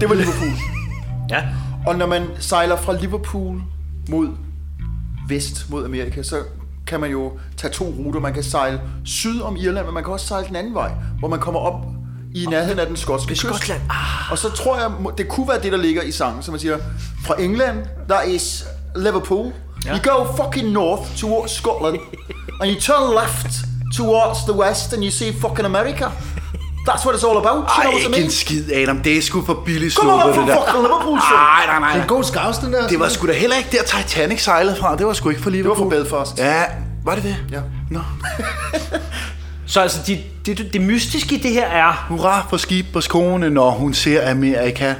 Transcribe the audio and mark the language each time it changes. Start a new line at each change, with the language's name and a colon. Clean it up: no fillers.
Danish: Det var Liverpool. Og når man sejler fra Liverpool mod vest, mod Amerika, så kan man jo tage to ruter. Man kan sejle syd om Irland, men man kan også sejle den anden vej, hvor man kommer op i nærheden af den skotske kyst. Skotland. Og så tror jeg, det kunne være det, der ligger i sangen, som man siger, fra England, der er Liverpool. Ja.
English: You go fucking north towards Scotland, and you turn left towards the west, and you see fucking America. That's what it's all about.
Danish: Ej, ikke en skid, Adam. Det er sgu for billigt sluppet, det der. Kom op for fucking Liverpool, så. Nej. Det er god skavs, den der. Det var sgu da heller ikke der Titanic sejlede fra. Det var sgu ikke for Liverpool. Det var for Belfast. Ja, var det det? Ja. Nå. Så altså, det mystiske i det her er... Hurra for skibets kone, når hun ser Amerika.